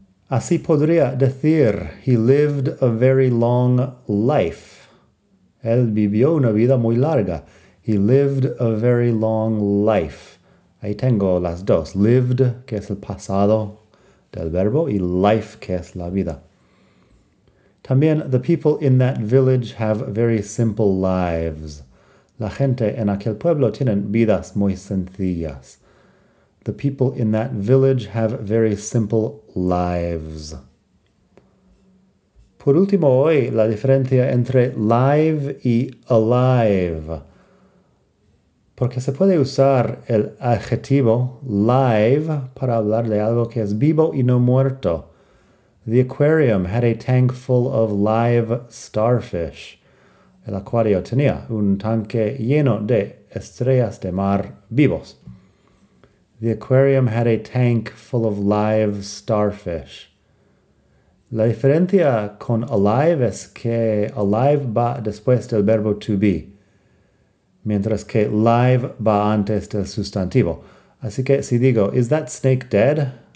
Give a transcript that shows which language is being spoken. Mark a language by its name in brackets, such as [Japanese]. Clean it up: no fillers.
[Spanish] Así podría decir, [English] he lived a very long life. [Spanish] Él vivió una vida muy larga. [English] He lived a very long life. [Spanish] Ahí tengo las dos. Lived, que es el pasado del verbo, y life, que es la vida. También, [English] the people in that village have very simple lives. [Spanish] La gente en aquel pueblo tienen vidas muy sencillas. [English] The people in that village have very simple lives. [Spanish] Por último hoy, la diferencia entre live y alive. Porque se puede usar el adjetivo live para hablar de algo que es vivo y no muerto. [English] The aquarium had a tank full of live starfish. [Spanish] El acuario tenía un tanque lleno de estrellas de mar vivos. [English] The aquarium had a tank full of live starfish. [Spanish] La diferencia con alive es que alive va después del verbo to be, mientras que live va antes del sustantivo. Así que si digo, [English] is that snake dead?